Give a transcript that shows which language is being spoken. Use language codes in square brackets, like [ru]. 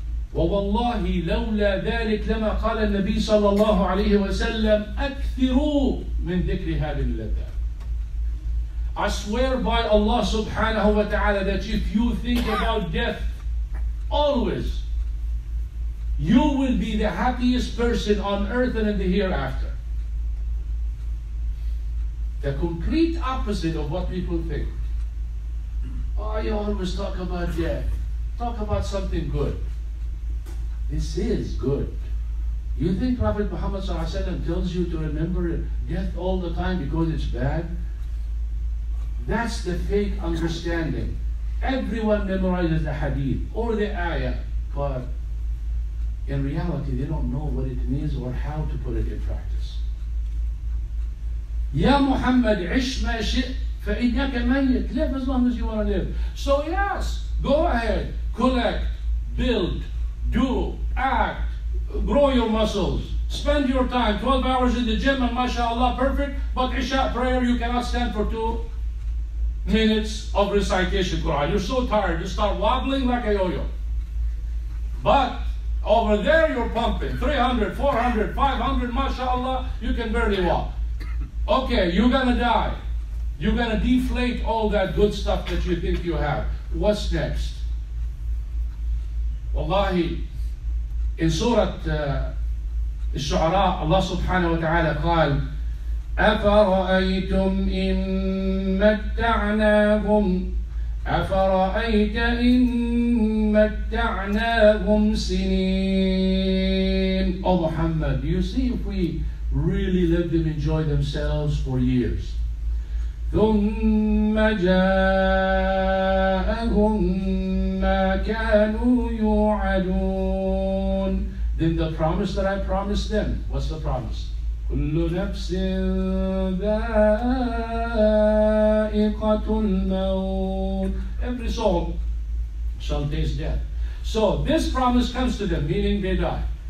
[ar] ووالله لولا ذلك لما قال النبي صلى الله عليه وسلم أكثروا من ذكر هذه اللذة. [en] I swear by Allah subhanahu wa ta'ala that if you think about death always, you will be the happiest person on earth and in the hereafter. The complete opposite of what people think. Oh, you always talk about death. Talk about something good. This is good. You think Prophet Muhammad sallallahu alaihi wasallam tells you to remember death all the time because it's bad? That's the fake understanding. Everyone memorizes the hadith or the ayah, but in reality, they don't know what it means or how to put it in practice. [ar] Ya Muhammad, عش ما شئت فإنك ميت. [en] Live as long as you want to live. So yes, go ahead, collect, build, do, act, grow your muscles. Spend your time, 12 hours in the gym, and mashallah, perfect. But Isha prayer, you cannot stand for 2 minutes of recitation Quran. You're so tired, you start wobbling like a yo-yo. But over there, you're pumping 300, 400, 500, mashallah, you can barely walk. Okay, you're gonna die. You're gonna deflate all that good stuff that you think you have. What's next? Wallahi, in Surah [ar] الشعراء الله سبحانه وتعالى قال أفرأيتم إن متعناهم أفرأيت إن متعناهم سنين. [en] Oh Muhammad, do you see if we really let them enjoy themselves for years? [ar] ثم جاءهم ما كانوا يوعدون. [en] Then the promise that I promised them, what's the promise? [ar] كُلُّ نَفْسٍ ذَائِقَةُ الْمَوْتِ. [en] Every soul shall taste death. So this promise comes to them, meaning they die.